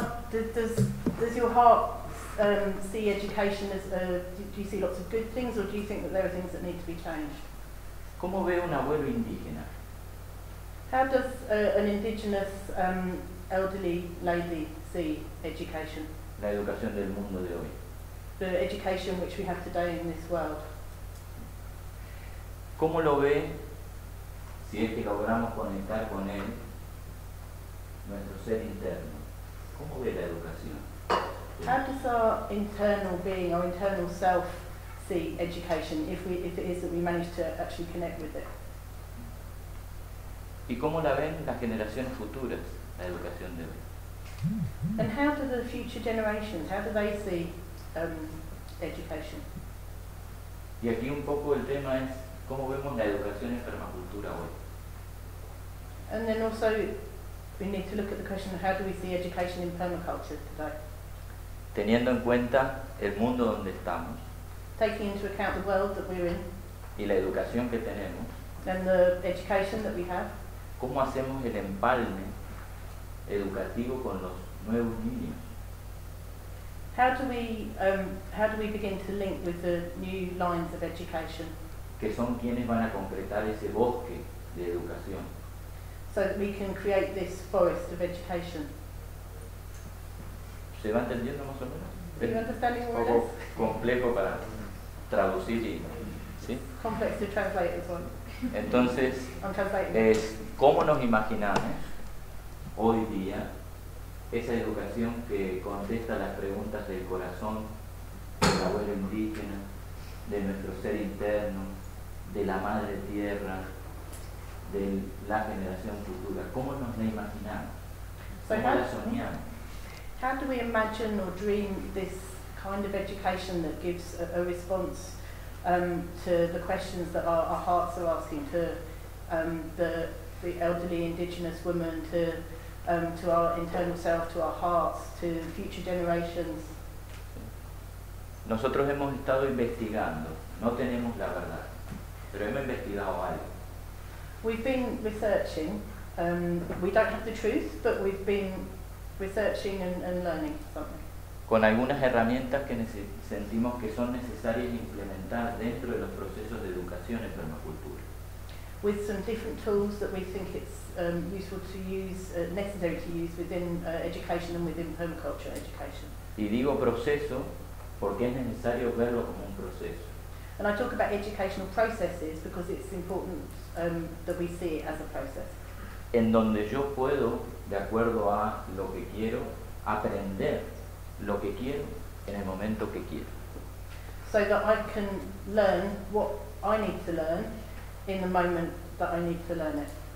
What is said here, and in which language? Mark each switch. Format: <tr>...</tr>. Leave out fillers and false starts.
<en>Does your heart see education as do you see lots of good things or do you think that there are things that need to be changed?</en> <es>¿Cómo ve un abuelo indígena?</es> <en>How does an indigenous elderly lady see education?</en> <es>La educación del mundo de hoy.</es> <en>The education which we have today in this world.</en> <es>¿Cómo lo ve, si es que logramos conectar con él, nuestro ser interno? ¿Cómo ve la educación?</es> <en>How does our internal being, our internal self, see education, if it is that we manage to actually connect with it?</en> <es>¿Y cómo la ven las generaciones futuras? La educación de hoy.</es> <en>And how do the future generations, how do they see education?</en> <es>Y aquí un poco el tema es cómo vemos la educación en permacultura hoy.</es> <en>And then also we need to look at the question of how do we see education in permaculture today?</en> <es>Teniendo en cuenta el mundo donde estamos.</es> <en>Taking into account the world that we're in.</en> <es>Y la educación que tenemos.</es> <en>And the education that we have.</en> <es>¿Cómo hacemos el empalme educativo con los nuevos niños?</es> <en>How do we begin to link with the new lines of education?</en> <es>Que son quienes van a concretar ese bosque de educación.</es> <en>So that we can create this forest of education.</en> <es>¿Se va entendiendo más o menos?</es> <en>Do you understand it more or less?</en> <es>Un poco complejo para traducir y... ¿sí?</es> <en>Complex to translate as well.</en> <es>Entonces,</es> <en>I'm translating.</en> <es>Es cómo nos imaginamos hoy día esa educación que contesta las preguntas del corazón, de la abuela indígena, de nuestro ser interno, de la madre tierra, de la generación futura. ¿Cómo nos la imaginamos? ¿Cómo la soñamos?</es> <en>How do we imagine or dream this kind of education that gives a response to the questions that our hearts are asking, to the elderly indigenous women, to our internal self, to our hearts, to future generations?</en> <es>Nosotros hemos estado investigando, no tenemos la verdad, pero hemos investigado algo.</es> <en>We've been researching, we don't have the truth, but we've been researching and learning something.</en> <es>Con algunas herramientas que sentimos que son necesarias implementar dentro de los procesos de educación en permacultura.</es> <en>With some different tools that we think it's useful to use, necessary to use within education and within permaculture education.</en> <es>Y digo proceso porque es necesario verlo como un proceso.</es> <en>And I talk about educational processes because it's important that we see it as a process.</en> <es>En donde yo puedo, de acuerdo a lo que quiero, aprender lo que quiero en el momento que quiero.</es> <en>So that I can learn what I need to learn in the moment that I need to learn it.</en>